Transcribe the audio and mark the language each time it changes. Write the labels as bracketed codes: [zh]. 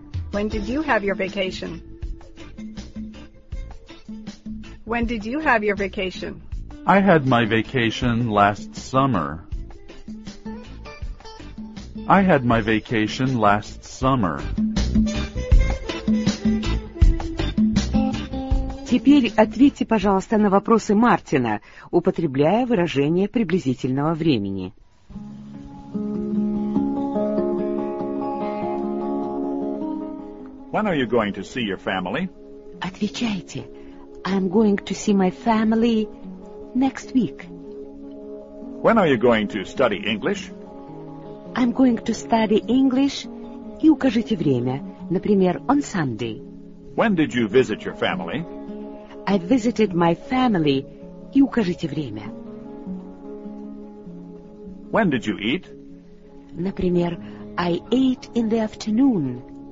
[en] When did you have your vacation? When did you have your vacation? I had my vacation last summer. I had my vacation last summer. [ru] Теперь ответьте, пожалуйста, на вопросы Мартина, употребляя выражение приблизительного времени. [en] When are you going to see your family? [ru] Отвечайте. [en] I'm going to see my family next week. When are you going to study English? I'm going to study English. [ru] И укажите время, например, [en] on Sunday. When did you visit your family? I visited my family. [ru] И укажите время. [en] When did you eat? [ru] Например, [en] I ate in the afternoon.